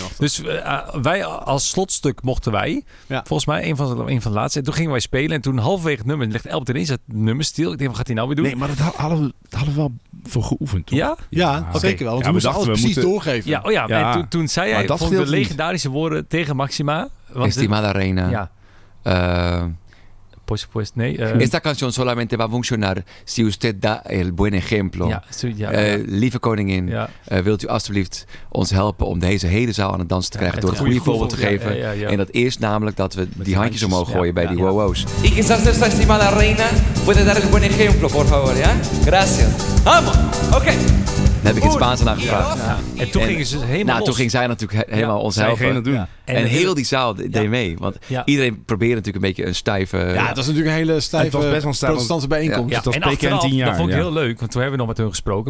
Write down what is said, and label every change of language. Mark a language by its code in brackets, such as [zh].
[nl] Dus wij als slotstuk mochten wij, volgens mij, een van de laatste. En toen gingen wij spelen. En toen halverwege het nummer, legt Elbert ineens het nummer stil. Ik denk, wat gaat hij nou weer doen? Nee, maar dat hadden we wel voor geoefend, toch? Ja? Ja. Zeker wel, want we moesten doorgeven. Ja, toen zei hij van de legendarische woorden tegen Maxima. [es] Estimada Reina. [nl] Ja. [es] Esta canción solamente va a funcionar si usted da el buen ejemplo. [nl] Lieve koningin, wilt u alstublieft ons helpen om deze hele zaal aan het dansen te krijgen door het goede voorbeeld te geven. En dat is namelijk dat we die handjes omhoog gooien bij die wow-wows. [es] Y quizás nuestra estimada reina puede dar el buen ejemplo, por favor, ya. Gracias. Vamos. Oké. [nl] Heb ik in Spaans naar gevraagd. Ja. En toen gingen ze helemaal los. Toen ging zij natuurlijk helemaal ons helpen. Dat doen. En heel die zaal deed mee. Want iedereen probeerde natuurlijk een beetje een stijve... Ja, het was natuurlijk een hele stijve protestantse bijeenkomst. Ja. Ja. Dat was 10 jaar. Dat vond ik heel leuk. Want toen hebben we nog met hun gesproken.